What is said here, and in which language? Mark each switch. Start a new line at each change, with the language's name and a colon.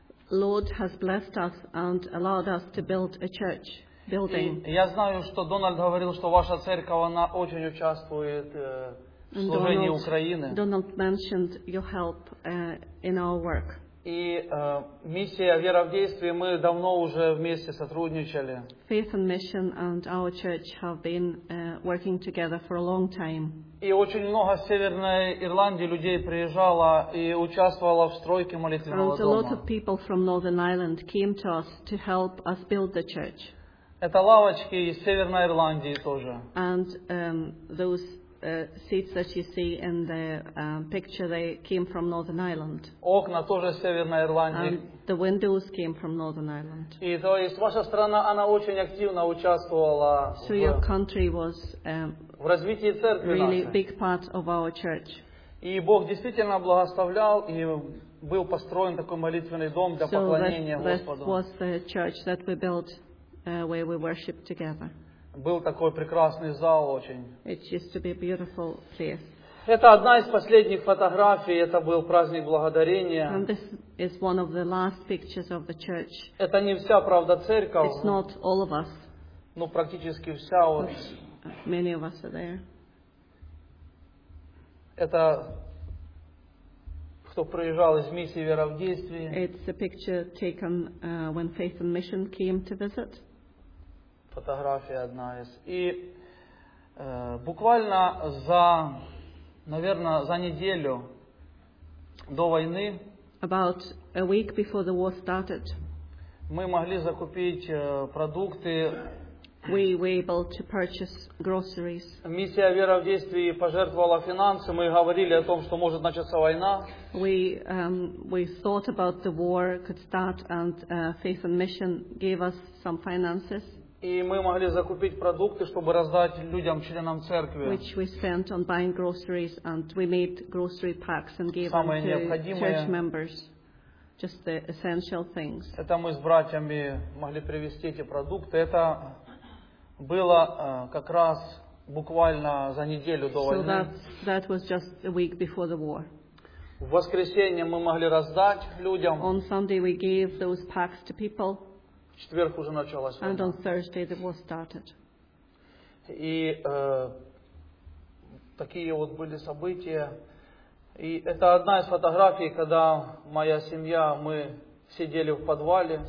English: Lord has blessed us and allowed us to build a church building.
Russian: И я знаю, что Дональд говорил, что ваша церковь, она очень участвует в служении
English: Donald,
Russian: Украины.
English: Donald mentioned your help in our work.
Russian: И миссия «Вера в действии» мы давно уже вместе сотрудничали.
English: Faith and Mission and our church have been working together for a long time.
Russian: И очень много с Северной Ирландии людей приезжало и участвовало в стройке молитвенного дома.
English: And a lot of people from Northern Ireland came to us to help us build the church.
Russian: Это лавочки из Северной Ирландии тоже.
English: And those seats that you see in the picture, they came from Northern Ireland.
Russian: Окна тоже из Северной Ирландии.
English: And the windows came from Northern Ireland.
Russian: И то есть ваша страна, она очень активно участвовала.
English: So your country was
Russian: в развитии церкви
English: really
Russian: нашей.
English: Big part of our church.
Russian: И Бог действительно благословлял, и был построен такой молитвенный дом для
English: so
Russian: поклонения Господу.
English: That was the church that we built, where we worshiped together.
Russian: был такой прекрасный зал очень.
English: It used to be a beautiful place.
Russian: Это одна из последних фотографий, это был праздник благодарения.
English: And this is one of the last pictures of the church.
Russian: Это не вся, правда, церковь.
English: It's not all of us.
Russian: Ну, практически вся вот.
English: Many of us are there.
Russian: Это кто приезжал из миссии «Вера в действии».
English: It's a picture taken when Faith and Mission came to visit.
Russian: Фотография одна из. И буквально за, наверное, за неделю до войны,
English: about a week before the war started,
Russian: мы могли закупить продукты.
English: We were able to purchase groceries.
Russian: Миссия «Вера в действии» пожертвовала финансы. Мы говорили о том, что может начаться война.
English: We thought about the war could start, and Faith and Mission gave us some finances.
Russian: И мы могли закупить продукты, чтобы раздать людям, членам церкви.
English: Which we spent on buying groceries, and we made grocery packs and gave
Russian: самые
English: them to
Russian: необходимые
English: church members. Just the essential things.
Russian: Это мы с братьями могли привезти эти продукты. Это было как раз буквально за неделю до войны.
English: So that was just a week before the war.
Russian: В воскресенье мы могли раздать людям.
English: On Sunday we gave those packs to people.
Russian: В четверг уже началась война.
English: And on Thursday the war started.
Russian: И такие вот были события. И это одна из фотографий, когда моя семья, мы сидели в подвале.